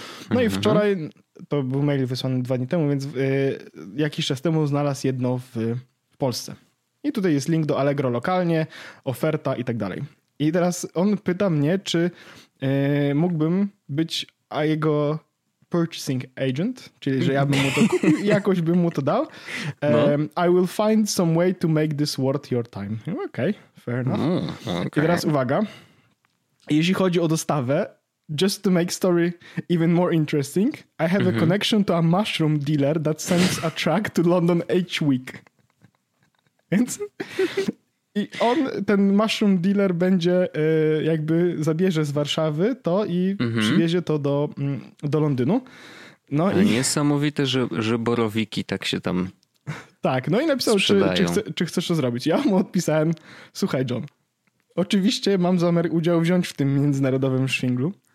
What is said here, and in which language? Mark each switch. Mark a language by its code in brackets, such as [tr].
[pl] No i wczoraj, to był mail wysłany dwa dni temu, więc jakiś czas temu znalazł jedno w Polsce. I tutaj jest link do Allegro lokalnie, oferta i tak dalej. I teraz on pyta mnie, czy mógłbym być jego purchasing agent, czyli że ja bym mu to kupił i jakoś bym mu to dał. [en] I will find some way to make this worth your time. Okay, fair enough. Okay. [pl] I teraz uwaga. Jeśli chodzi o dostawę, [en] just to make story even more interesting, I have a connection to a mushroom dealer that sends a truck to London each week. [pl] Więc... I on, ten mushroom dealer będzie jakby zabierze z Warszawy to i przywiezie to do Londynu. No i... Niesamowite, że borowiki tak się tam. Tak, no i napisał, czy chcesz to zrobić. Ja mu odpisałem, słuchaj John, oczywiście mam zamiar udział wziąć w tym międzynarodowym szwinglu.